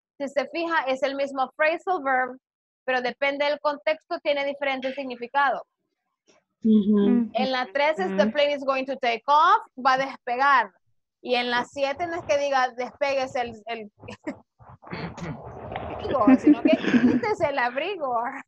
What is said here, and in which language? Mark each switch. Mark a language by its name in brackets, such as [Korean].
[Spanish] Si se fija, es el mismo phrasal verb, pero depende del contexto, tiene diferente significado. Mm-hmm. En la 3, mm-hmm. [English] the plane is going to take off, [Spanish] va a despegar. Y en la 7, no es que diga despegues el abrigo, sino que quites el abrigo.